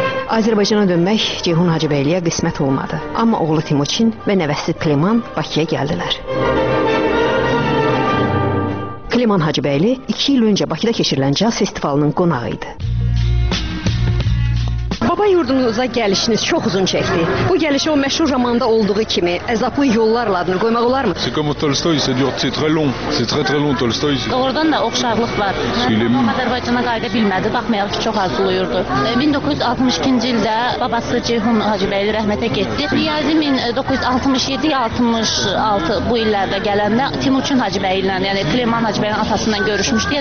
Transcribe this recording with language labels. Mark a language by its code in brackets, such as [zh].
[az] Azərbaycana dönmək Ceyhun Hacıbəyliyə qismət olmadı. Amma oğlu Timuçin və nəvəsi Kliman Bakıya gəldilər. Kliman Hacıbəyli 2 il öncə Bakıda keçirilən caz festivalının qonağı idi. Baba yurdunuza gəlişiniz çox uzun çəkdi. Bu gəlişə o məşhur romanda olduğu kimi əzablı yollarla adını qoymaq olarmı? [fr] C'est comme Tolstoy, c'est dur, c'est très long. C'est très très long Tolstoy. [az] Oradan da oxşarlıq var. Azərbaycana qayıda bilmədi, baxmayaraq ki çox arzulayırdı. 1962-ci ildə babası Ceyhun Hacıbəyli rəhmətə getdi. Riyazi 1967-66 bu illərdə gələndə Timuçin Hacıbəyli ilə, yəni Kleman Hacıbəyin atasından görüşmüşdü.